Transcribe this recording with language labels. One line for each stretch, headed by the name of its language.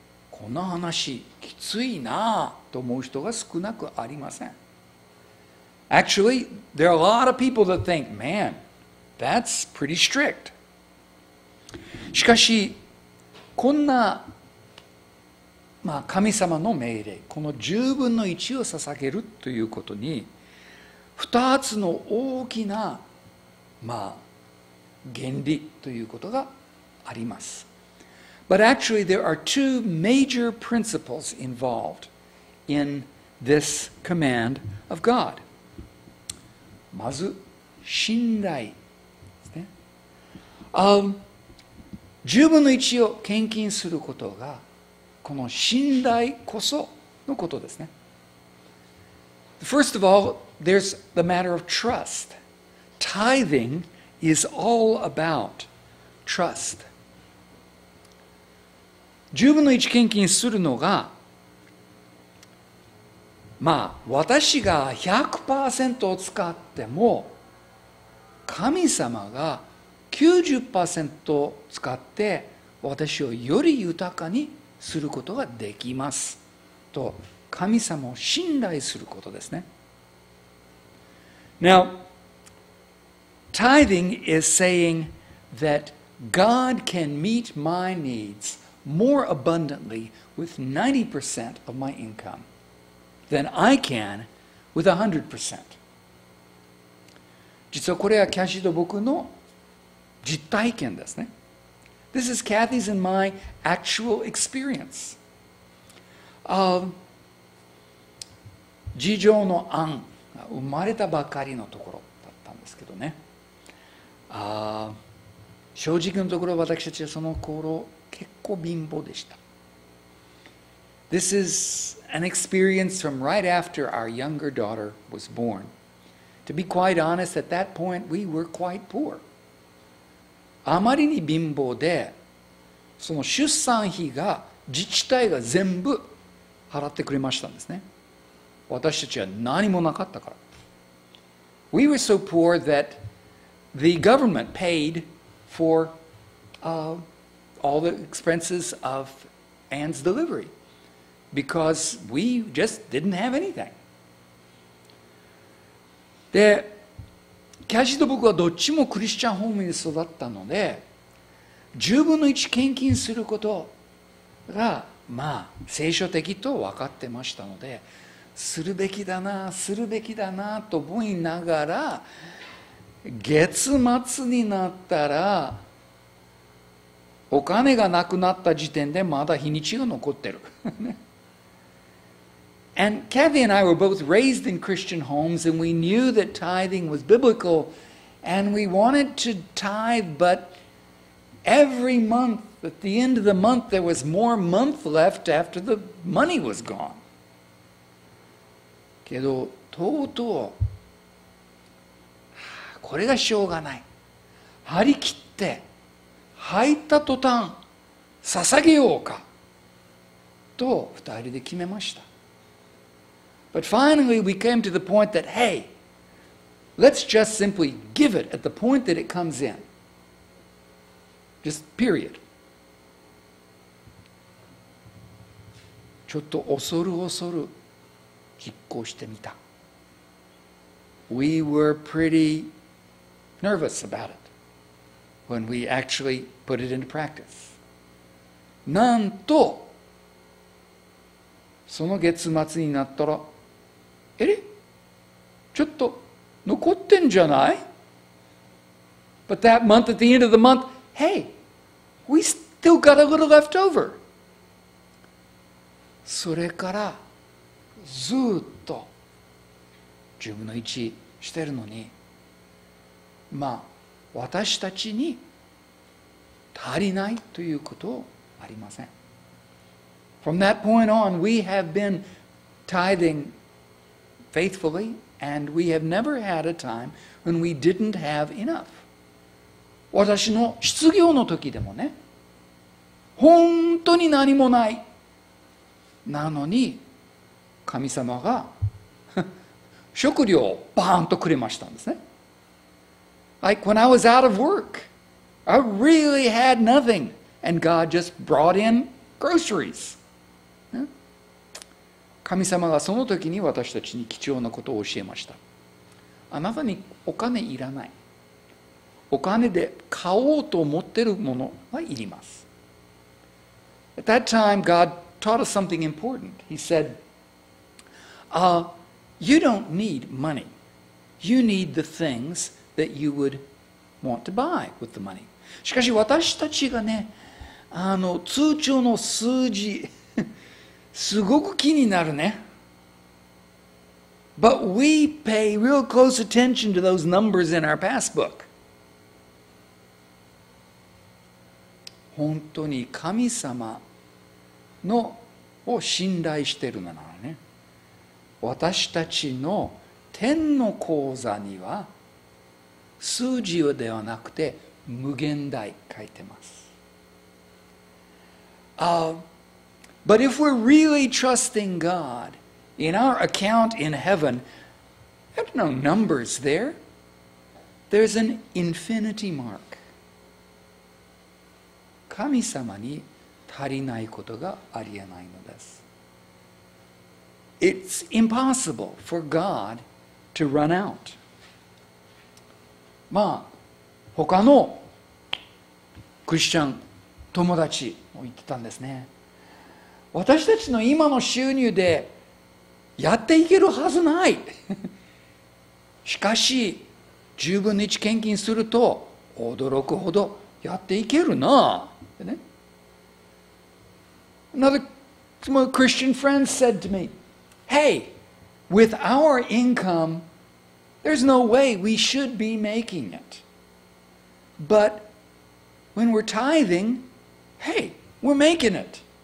Japanese: この話きついなと思う人が少なくありません。
English: Actually, there are a lot of people that think, man, that's pretty strict.
Japanese: しかし、こんな、まあ、神様の命令、この十分の一を捧げるということに、二つの大きな、まあ、原理ということがあります。
English: But actually there are two major principles involved in this command of God.
Japanese: まず、信頼ですね。 10分の1を献金することが、この信頼こそのことですね。
English: First of all, there's the matter of trust. Tithing is all about trust.
Japanese: 十分の一献金するのが、まあ私が 100% を使っても神様が 90% を使って私をより豊かにすることができますと神様を信頼することですね。
English: Now, tithing is saying that God can meet my needs more abundantly with 90% of my income than I can with 100%.
Japanese: 実はこれはキャシーと僕の実体験ですね。
English: This is Kathy's and my actual experience.
Japanese: 事情の案が生まれたばかりのところだったんですけどね。正直のところ私たちはその頃結構貧乏でした。
English: This is an experience from right after our younger daughter was born. To be quite honest, at that point we were quite poor.
Japanese: あまりに貧乏で、その出産費が自治体が全部払ってくれましたんですね。私たちは何もなかったから。
English: We were so poor that the government paid for all the expenses of Anne's delivery because we just didn't have anything.
Japanese: で、キャシーと僕はどっちもクリスチャンホームに育ったので、十分の一献金することが、まあ、聖書的と分かってましたので、するべきだな、するべきだなと思いながら、月末になったら、お金がなくなった時点でまだ日にちが残ってる。
English: And Kathy and I were both raised in Christian homes, and we knew that tithing was biblical, and we wanted to tithe, but every month, at the end of the month, there was more month left after the money was gone.
Japanese: けどとうとうこれがしょうがない、張り切って入った途端捧げようかと二人で決めました。
English: But finally we came to the point that hey, let's just simply give it at the point that it comes in. Just period.
Japanese: ちょっと恐る恐る実行してみた。
English: We were pretty nervous about it when we actually put it into practice.
Japanese: なんと、その月末になったら、えれ？ちょっと残ってんじゃない？
English: But that month at the end of the month, hey, we still got a little left over.
Japanese: それから、ずっと十分の一してるのに、まあ私たちに足りないということはありません。
English: From that point on, we have been tithing faithfully, and we have never had a time when we didn't have enough.
Japanese: 私の失業の時でもね、本当に何もないなのに。神様が食料をバーンとくれましたんですね。
English: Like when I was out of work, I really had nothing, and God just brought in groceries.
Japanese: 神様がその時に私たちに貴重なことを教えました。あなたにお金いらない。お金で買おうと思ってるものはいります。
English: At that time, God taught us something important. He said,you don't need money. You need the things that you would want to buy with the money.
Japanese: しかし私たちがね、あの通帳の数字すごく気になるね。
English: But we pay real close attention to those numbers in our passbook.
Japanese: 本当に神様のを信頼しているならね、私たちの天の口座には数字ではなくて無限大書いてます。
English: But if we're really trusting God in our account in heaven, there's no numbers there. There's an infinity mark.
Japanese: 神様に足りないことがありえないのです。
English: It's impossible for God to run out.
Japanese: まあ、他のクリスチャン友達も言ってたんですね。私たちの今の収入でやっていけるはずない。しかし10分の1献金すると驚くほどやっていけるな。ね、
English: Another Christian friend said to me, Hey, with our income, there's no way we should be making it. But when we're tithing, hey, we're making it.